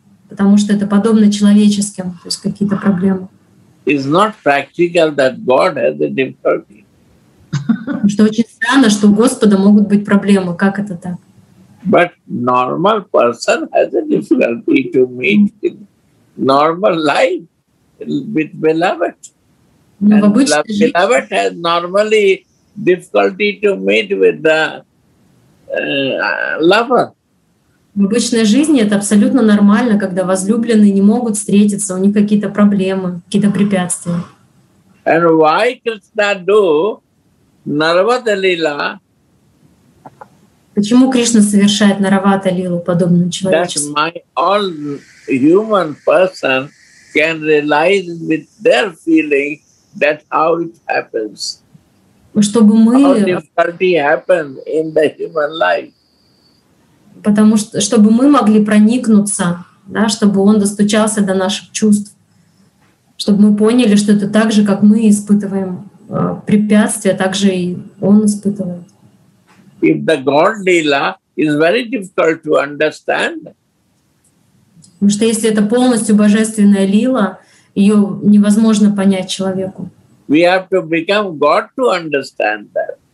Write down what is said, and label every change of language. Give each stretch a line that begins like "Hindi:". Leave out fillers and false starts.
Russian: Потому что это подобно человеческим, то есть какие-то проблемы.
English: It's not practical that God has a difficulty.
Russian: Что очень странно, что у Господа могут быть проблемы. Как это так?
English: But normal person has a difficulty to meet in normal life with beloved. And beloved has normally difficulty to meet with the lover.
Russian: В обычной жизни это абсолютно нормально, когда возлюбленные не могут встретиться, у них какие-то проблемы, какие-то препятствия.
English: And why Krishna do Narvada Lila?
Russian: Почему Кришна совершает Нарвата Лилу подобную человеческую?
English: That my all human person can realize with their feeling that how it happens.
Russian: Чтобы мы.
English: How difficulty happens in the human life.
Russian: Потому что, чтобы мы могли проникнуться, да, чтобы он достучался до наших чувств, чтобы мы поняли, что это так же, как мы испытываем препятствия, так же и он испытывает.
English: If the God Lila is very difficult to understand.
Russian: Потому что если это полностью божественная лила, ее невозможно понять человеку.
English: We have to become God to understand that.